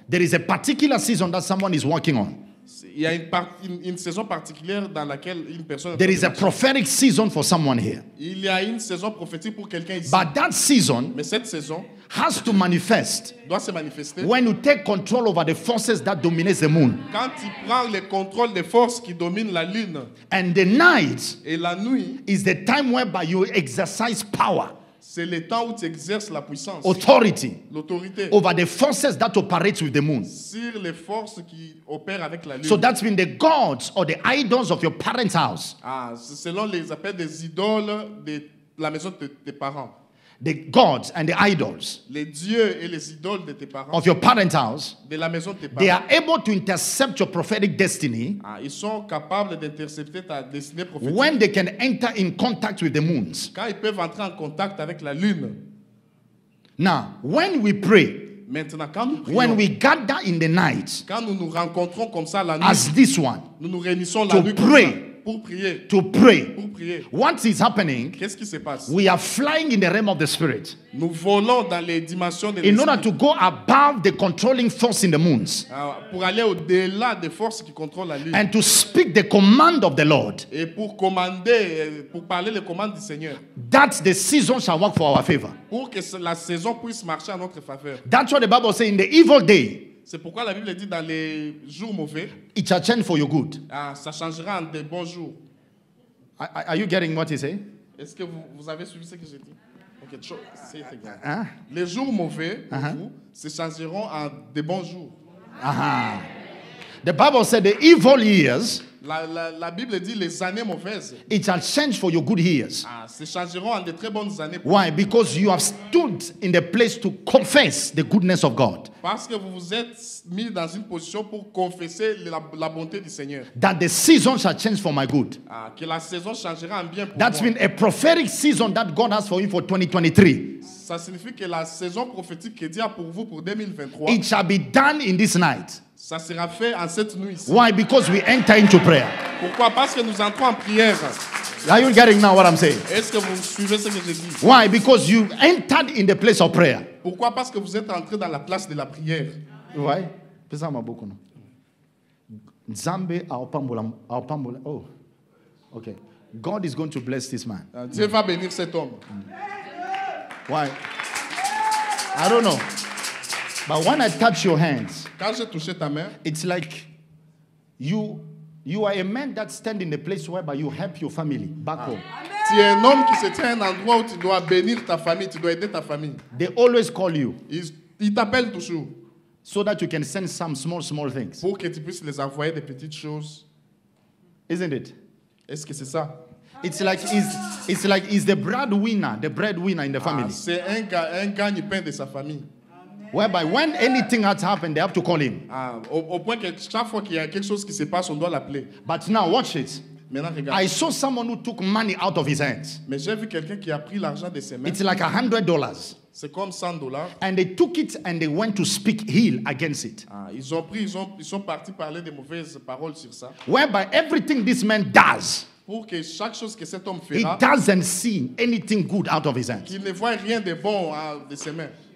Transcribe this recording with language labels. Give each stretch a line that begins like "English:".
English: There is a particular season that someone is working on.
French: Il y a une saison particulière dans laquelle une personne.
English: There is a prophetic season for someone here.
French: Il y a une saison prophétique pour quelqu'un ici.
English: But that season.
French: Mais cette saison.
English: Has to manifest.
French: Doit se manifester.
English: When you take control over the forces that dominate the moon.
French: Quand tu prends le contrôle des forces qui dominent la lune.
English: And the night.
French: Et la nuit.
English: Is the time whereby you exercise power.
French: C'est le temps où tu exerces la puissance.
English: Authority.
French: L'autorité.
English: Over the forces that operate with the moon.
French: Sur les forces qui opèrent avec la lune.
English: So that's been the gods or the idols of your parents' house.
French: Ah, c'est selon les appels des idoles de la maison de tes parents.
English: The gods and the idols,
French: les dieux et les idoles de tes parents,
English: of your parents' house,
French: de la maison de tes parents,
English: they are able to intercept your prophetic destiny.
French: Ah, ils sont capables d'intercepter ta destinée prophétique.
English: When they can enter in contact with the moons,
French: quand ils peuvent entrer en contact avec la lune.
English: Now, when we pray,
French: maintenant quand nous prions,
English: when we gather in the night,
French: quand nous nous rencontrons comme ça la nuit,
English: as this one,
French: nous nous réunissons
English: to
French: la nuit
English: pray.
French: Comme ça. Pour prier.
English: To pray.
French: Pour prier.
English: What is happening?
French: Qu'est-ce qui se passe?
English: We are flying in the realm of the spirit.
French: Nous volons dans les dimensions de l'esprit.
English: In order to go above the controlling force in the moons.
French: Pour aller au-delà des forces qui contrôlent la lune.
English: And to speak the command of the Lord.
French: Et pour commander, pour parler les commandes du Seigneur.
English: That the season shall work for our favor.
French: Pour que la saison puisse marcher à notre faveur.
English: That's what the Bible says in the evil day.
French: C'est pourquoi la Bible dit dans les jours mauvais,
English: it shall change for your good.
French: Ah, ça changera en des bons jours.
English: Are you getting what he say?
French: Est-ce que vous avez suivi ce que j'ai dit?
English: Okay, say it again.
French: Les jours mauvais pour vous se changeront en des bons jours.
English: The Bible said the evil years.
French: La Bible dit les années mauvaises.
English: It shall change for your good years.
French: Ah, se changeront en de très bonnes années.
English: Why? Because you have stood in the place to confess the goodness of God.
French: Parce que vous vous êtes mis dans une position pour confesser la bonté du Seigneur.
English: That the season shall change for my good.
French: Ah, que la saison changera en bien pour
English: That's
French: moi.
English: That's been a prophetic season that God has for you for 2023.
French: Ça signifie que la saison prophétique que Dieu a pour vous pour 2023.
English: It shall be done in this night.
French: Ça sera fait en cette nuit.
English: Why? Because we enter into prayer.
French: Pourquoi? Parce que nous entrons en prière.
English: Are you getting now what I'm saying?
French: Est-ce que vous suivez ce que je dis?
English: Why? Because you entered in the place of prayer.
French: Pourquoi? Parce que vous êtes entré dans la place de la prière.
English: Why?
Lingala: Pesa ma boko no. Nzambe aopambola.
English: Oh. Okay. God is going to bless this man.
French: Dieu va bénir cet homme.
English: Why? I don't know. But when I touch your hands,
French: quand j'ai touché ta main,
English: it's like you are a man that stands in a place whereby you help your family back home.
French: Tu es un homme qui se tient à un endroit où tu dois bénir ta famille, tu dois aider ta famille.
English: They always call you.
French: Ils t'appellent toujours.
English: So that you can send some small things.
French: Pour que tu puisses les envoyer des petites choses.
English: Isn't it?
French: Est-ce que c'est ça?
English: It's like he's the bread winner in the family.
French: C'est un gagne-pain de sa famille.
English: Whereby when anything has happened, they have to call him.
French: Au point que chaque fois qu'il y a quelque chose qui se passe, on doit l'appeler.
English: But now, watch it.
French: Maintenant, regarde.
English: I saw someone who took money out of his hands.
French: Mais j'ai vu quelqu'un qui a pris l'argent de ses mains.
English: It's like $100.
French: C'est comme $100.
English: And they took it and they went to speak ill against it.
French: Ils sont partis parler des mauvaises paroles sur ça.
English: Whereby everything this man does.
French: Pour que chaque chose que cet homme fera.
English: He doesn't see anything good out of his hands.
French: Il ne voit rien de bon de ses mains.